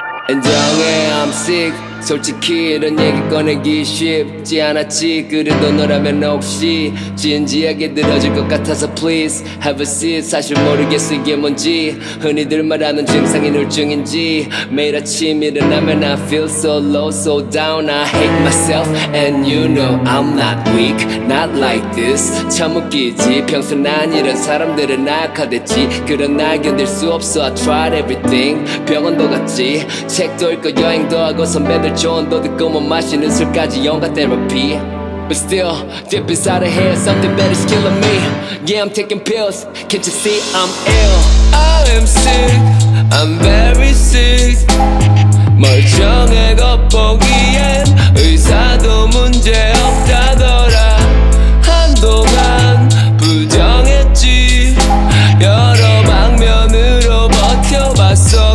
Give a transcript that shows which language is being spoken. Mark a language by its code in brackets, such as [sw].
[ko] 인정해, [en] I'm sick. [ko] 솔직히 이런 얘기 꺼내기 쉽지 않았지. 그래도 너라면 혹시 진지하게 들어줄 것 같아서 [en] please have a seat. [ko] 사실 모르겠어 이게 뭔지, 흔히들 말하는 증상이 우울증인지. [en] 매일 아침 일어나면 I feel so low, so down. I hate myself and you know I'm not weak, not like this. [ko] 참 웃기지, 평소 난 이런 사람들은 악화됐지. 그런 날 견딜 수 없어, [en] I tried everything. [ko] 병원도 갔지, 책도 읽고 여행도 하고 선배 조언도 듣고 못 마시는 술까지 영가 테라피. [en] But still, deep inside of here, something better is killing me. Yeah, I'm taking pills, can't you see I'm ill? I am sick, I'm very sick. [ko] 멀쩡해 겉보기엔 의사도 문제 없다더라. 한동안 부정했지. 여러 방면으로 버텨봤어.